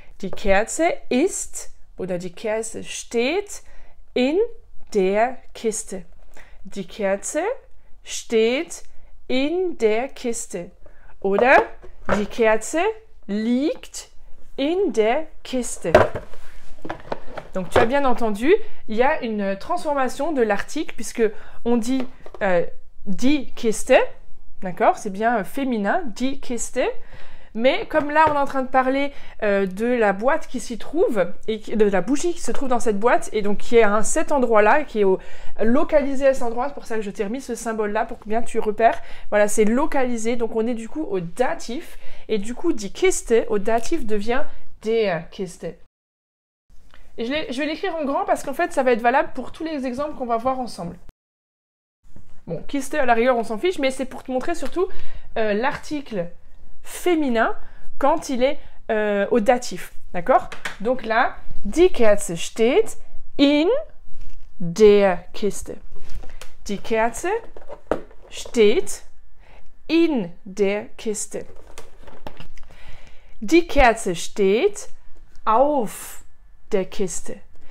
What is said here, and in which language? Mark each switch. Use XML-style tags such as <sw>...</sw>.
<de>Die Kerze ist oder die Kerze steht in der Kiste. Die Kerze steht in der Kiste. Oder die Kerze liegt in der Kiste.</de> <fr>Donc tu as bien entendu, il y a une transformation de l'article puisque on dit</fr> <de>die Kiste.</de> <fr>D'accord, c'est bien féminin,</fr> <de>die Kiste.</de> <fr>Mais comme là, on est en train de parler de la boîte qui s'y trouve, et de la bougie qui se trouve dans cette boîte, et donc qui est à cet endroit-là, qui est localisé à cet endroit, c'est pour ça que je t'ai remis ce symbole-là, pour que bien tu repères. Voilà, c'est localisé, donc on est du coup au datif, et du coup,</fr> <de>die Kiste,</de> <fr>au datif, devient</fr> <de>der Kiste.</de> <fr>Et je vais l'écrire en grand, parce qu'en fait, ça va être valable pour tous les exemples qu'on va voir ensemble. Bon, Kiste, à la rigueur, on s'en fiche, mais c'est pour te montrer surtout l'article féminin quand il est au datif, d'accord? Donc là,</fr> <de>die Kerze steht in der Kiste. Die Kerze steht in der Kiste. Die Kerze steht auf der Kiste.</de>